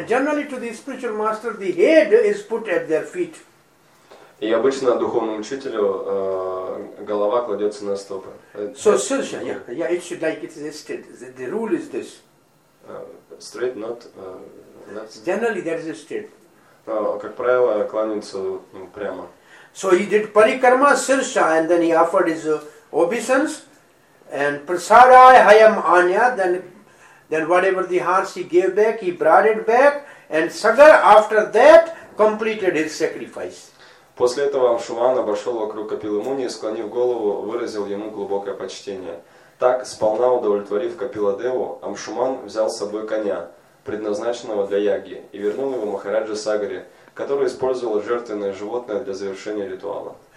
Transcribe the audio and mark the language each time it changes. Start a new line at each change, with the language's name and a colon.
English: And generally to the spiritual master, the head is put at their feet.
Russian: И обычно духовному учителю голова кладется на стопы.
English: So, Sushya, yeah, it should like it is stated. The rule is this. Straight, not left. Generally, that is stated.
Russian: Как правило, кланяются прямо.
English: So he did parikarma, sirsha, and then he offered his obeisance. And
Sanskrit: prasada hayam anya,
English: then whatever the horse he gave back, he brought it back, and Sagar after that completed his sacrifice.
Russian: После этого Амшуман обошел вокруг Капилы Муни и, склонив голову, выразил ему глубокое почтение. Так, сполна удовлетворив Капиладеву, Амшуман взял с собой коня, предназначенного для Яги, и вернул его Махараджа Сагаре, который использовал жертвенное животное для завершения ритуала.